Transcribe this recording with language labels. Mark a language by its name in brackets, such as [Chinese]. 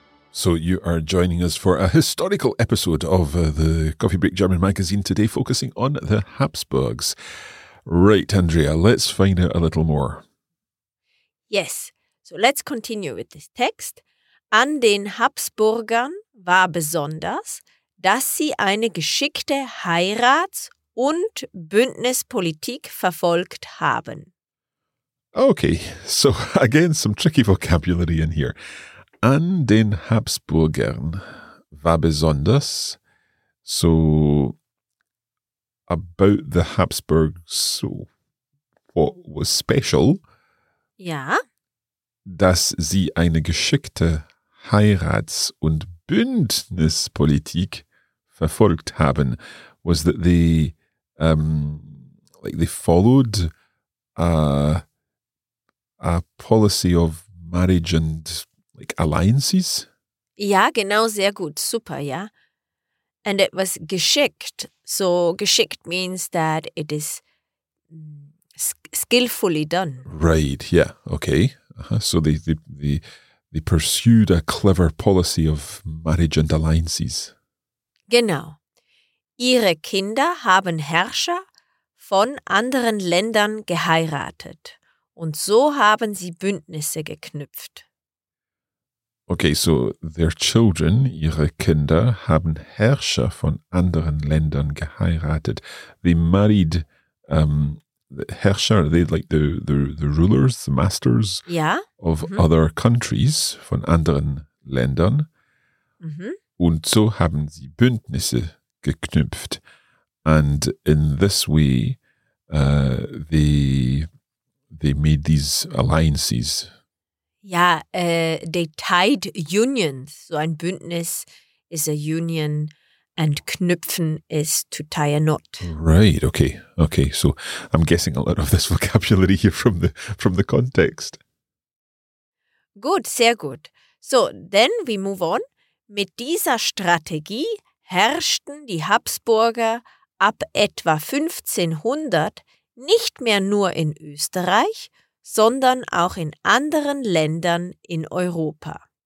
[English] So you are joining us for a historical episode of the Coffee Break German magazine today, focusing on the Habsburgs. Right, Andrea, let's find out a little more. Yes, so let's continue with this text. [German] An den Habsburgern war besonders, dass sie eine geschickte Heirats- und Bündnispolitik verfolgt haben. [English] Okay, so again some tricky vocabulary in here. [German] An den Habsburgern war besonders, [English] so about the Habsburgs, so what was special? [German] Ja. Dass sie eine geschickte Heirats- und Bündnispolitik verfolgt haben, [English] was that they they followed a policy of marriage and alliances? [German] Ja, genau, sehr gut, super, ja. [English] And it was geschickt. So geschickt means that it is skillfully done. Right, yeah, okay. Uh-huh. So they pursued a clever policy of marriage and alliances. [German] Genau. Ihre Kinder haben Herrscher von anderen Ländern geheiratet. Und so haben sie Bündnisse geknüpft. [English] Okay, so their children, [German] ihre Kinder, haben Herrscher von anderen Ländern geheiratet. [English] They married Herrscher, they like the rulers, the masters, [German] ja, [English] of mhm, other countries, [German] von anderen Ländern. Mhm. Und so haben sie Bündnisse geknüpft. [English] And in this way, they made these alliances. Ja, they tied unions. So ein Bündnis is a union and knüpfen is to tie a knot. Right, okay. Okay, so I'm guessing a lot of this vocabulary here from the context. [German] Gut, sehr gut. [English] So, then we move on. [German] Mit dieser Strategie herrschten die Habsburger ab etwa 1500 nicht mehr nur in Österreich, sondern auch in anderen Ländern in Europa.